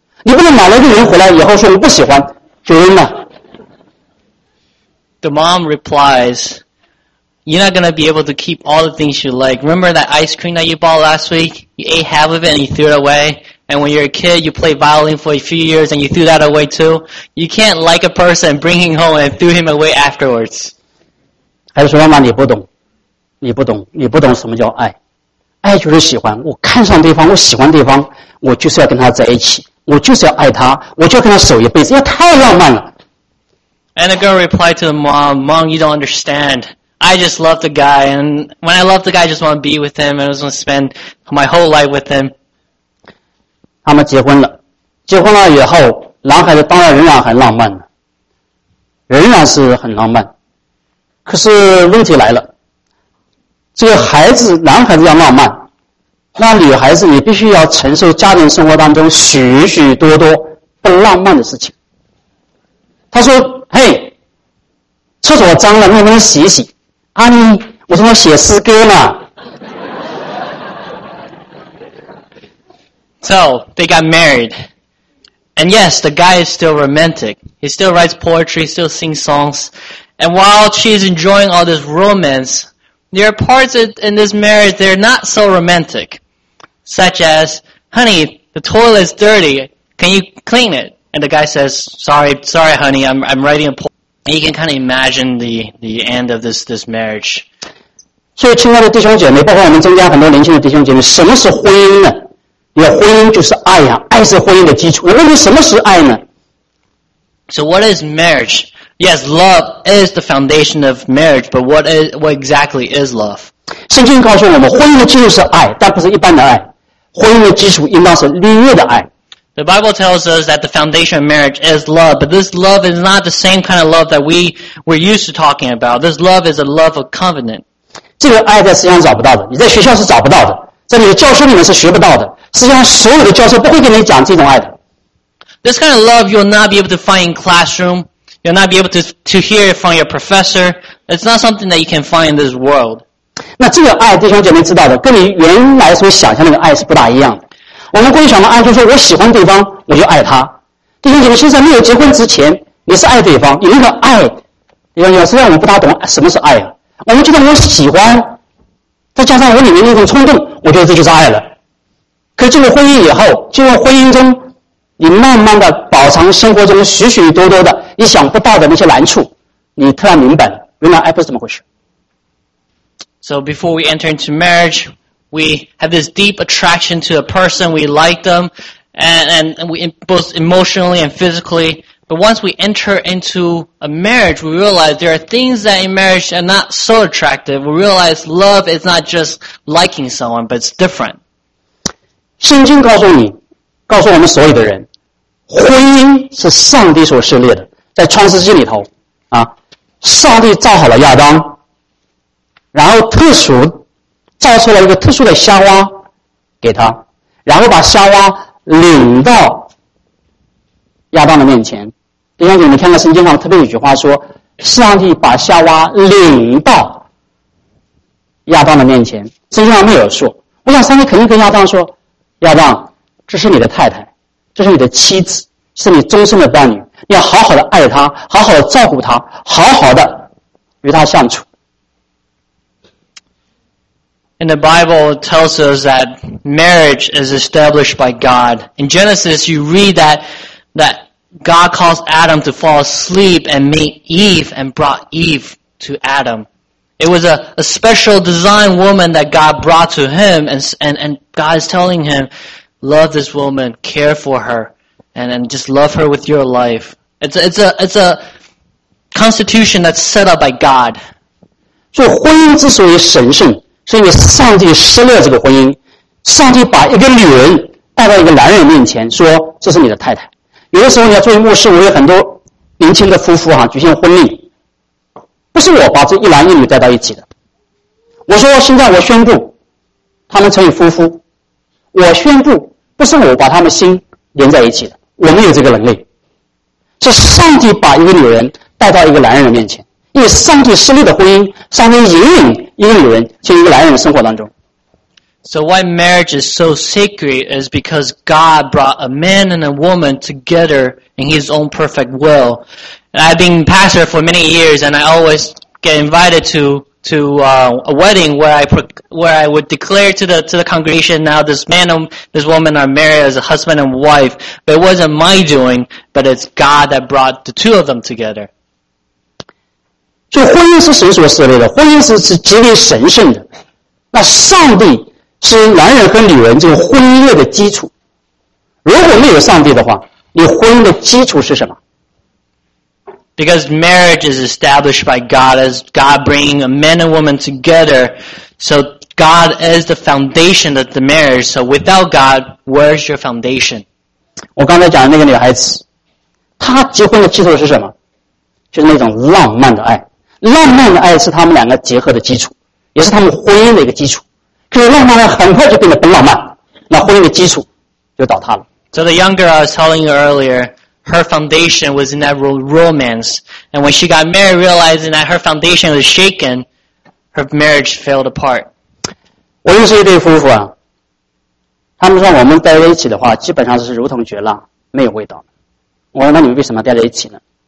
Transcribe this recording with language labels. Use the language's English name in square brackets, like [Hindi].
[Chinese] 你不能买了一个人回来以后说你不喜欢就扔了。 [English] The mom replies, you're not going to be able to keep all the things you like. Remember that ice cream that you bought last week? You ate half of it and you threw it away. And when you're a kid, you played violin for a few years and you threw that away too. You can't like a person and bring him home and threw him away afterwards. [Chinese] 还是说妈妈你不懂，你不懂，你不懂什么叫爱。爱就是喜欢，我看上对方，我喜欢对方，我就是要跟他在一起。我就是要爱他，我就要跟他守一辈子，因为太浪漫了。 [English] And the girl replied to the mom, Mom, you don't understand. I just love the guy, and when I love the guy, I just want to be with him, and I just want to spend my whole life with him. [Chinese] 他们结婚了，结婚了以后，男孩子当然仍然很浪漫，仍然是很浪漫。可是问题来了，这个孩子，男孩子要浪漫，那女孩子你必须要承受家庭生活当中许许多多不浪漫的事情。她说，嘿，厕所脏了，能不能洗一洗啊，你我怎么写诗歌呢。 [English] So they got married. And yes, the guy is still romantic. He still writes poetry, still sings songs. And while she's enjoying all this romance, there are parts in this marriage that are not so romanticSuch as, honey, the toilet is dirty, can you clean it? And the guy says, sorry honey, I'm writing a poem. And you can kind of imagine the end of this marriage. [Chinese] 所以亲爱的弟兄姐妹，包括我们中间很多年轻的弟兄姐妹，什么是婚姻呢？有婚姻就是爱啊，爱是婚姻的基础。我问你什么是爱呢？ [English] So what is marriage? Yes, love is the foundation of marriage, but what exactly is love? [Chinese] 圣经告诉我们，婚姻的基础是爱，但不是一般的爱。婚姻的基础应当是立约的爱。 [English] The Bible tells us that the foundation of marriage is love, but this love is not the same kind of love that we were used to talking about. This love is a love of covenant. [Chinese] 这个爱在实际上找不到的，你在学校是找不到的，在你的教室里面是学不到的。实际上，所有的教授不会跟你讲这种爱的。 [English] This kind of love you'll not be able to find in classroom. You'll not be able to hear it from your professor. It's not something that you can find in this world. [Chinese] 那这个爱，弟兄姐妹知道的，跟你原来所想象的那个爱是不大一样的。我们过去想的爱就是我喜欢对方，我就爱他。弟兄姐妹，现在没有结婚之前，你是爱对方，你那个爱，弟兄姐妹，实际上我们不大懂什么是爱啊。我们觉得我喜欢，再加上我里面那种冲动，我觉得这就是爱了。可进入婚姻以后，进入婚姻中，你慢慢的饱尝生活中许许多多的你想不到的那些难处，你突然明白了，原来爱不是怎么回事。 [English] So before we enter into marriage, we have this deep attraction to a person, we like them, and we, both emotionally and physically, But once we enter into a marriage, we realize there are things that in marriage are not so attractive. We realize love is not just liking someone, but it's different. [Chinese] 圣经告诉你，告诉我们所有的人，婚姻是上帝所设立的。在创世纪里头，啊，上帝造好了亚当，然后特殊造出了一个特殊的夏娃给他，然后把夏娃领到亚当的面前。弟兄姐妹，看到圣经上特别有一句话说，上帝把夏娃领到亚当的面前。圣经上没有说，我想上帝肯定跟亚当说，亚当，这是你的太太，这是你的妻子，是你终身的伴侣，你要好好的爱她，好好的照顾她，好好的与她相处。 [English] And the Bible tells us that marriage is established by God. In Genesis, you read that God caused Adam to fall asleep and made Eve and brought Eve to Adam. It was a special design woman that God brought to him, and God is telling him, love this woman, care for her, and just love her with your life. It's a constitution that's set up by God. [Chinese] So, 婚姻之所以神圣，所以上帝设立这个婚姻，上帝把一个女人带到一个男人面前说，这是你的太太。有的时候你要作为牧师，我有很多年轻的夫妇啊，举行婚礼，不是我把这一男一女带到一起的，我说现在我宣布他们成为夫妇，我宣布不是我把他们心连在一起的，我没有这个能力，是上帝把一个女人带到一个男人的面前，因为上帝设立的婚姻，上帝引领一个女人进入一个男人的生活当中。 [English] So why marriage is so sacred is because God brought a man and a woman together in His own perfect will. And I've been pastor for many years, and I always get invited to a wedding where I would declare to the congregation, now this man and this woman are married as a husband and wife. But it wasn't my doing, but it's God that brought the two of them together. [Chinese] 所以婚姻是神所设立的，婚姻是极为神圣的。那上帝是男人和女人这个婚姻的基础。如果没有上帝的话，你婚姻的基础是什么？ [English] Because marriage is established by God, as God bringing a man and woman together, so God is the foundation of the marriage. So without God, where's your foundation? [Chinese] 我刚才讲的那个女孩子，她结婚的基础是什么？就是那种浪漫的爱。浪漫的爱是他们两个结合的基础，也是他们婚姻的一个基础。可是浪漫爱很快就变得不浪漫，那婚姻的基础就倒塌了。 [English] So the young girl I was telling you earlier, her foundation was in that romance, and when she got married, realizing that her foundation was shaken, her marriage failed apart. [Chinese] 我认识一对夫妇啊，他们说我们待在一起的话，基本上是如同绝浪，没有味道。我说那你们为什么待在一起呢？